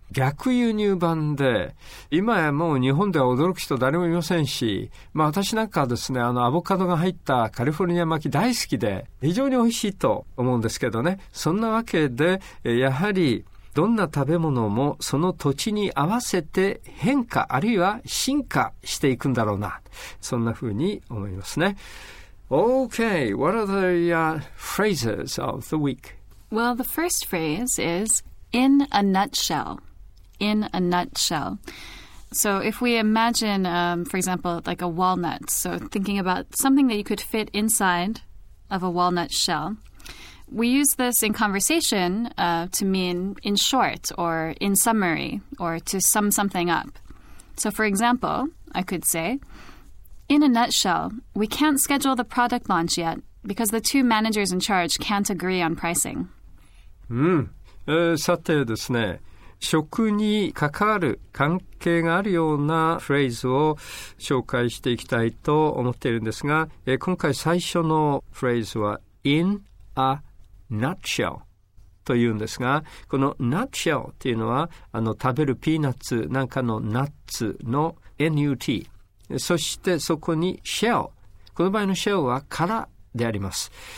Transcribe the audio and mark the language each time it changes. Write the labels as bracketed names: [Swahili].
[Japanese] 逆輸入版で、今やもう日本では驚く人誰もいませんし、まあ私なんかはですね、あのアボカドが入ったカリフォルニア巻き大好きで、非常に美味しいと思うんですけどね。そんなわけで、やはりどんな食べ物もその土地に合わせて変化あるいは進化していくんだろうな、そんなふうに思いますね。 [English] Okay, what are the phrases of the week? Well, the first phrase is in a nutshell. In a nutshell. So if we imagine, for example, like a walnut, so thinking about something that you could fit inside of a walnut shell, we use this in conversation to mean in short or in summary or to sum something up. So for example, I could say, in a nutshell, we can't schedule the product launch yet because the two managers in charge can't agree on pricing. [Japanese] さてですね、食に関わる関係があるようなフレーズを紹介していきたいと思っているんですが、今回最初のフレーズは in a nutshell というんですが、この nutshell というのはあの食べるピーナッツなんかのナッツの NUT、 そしてそこに shell、 この場合の shell は殻であります。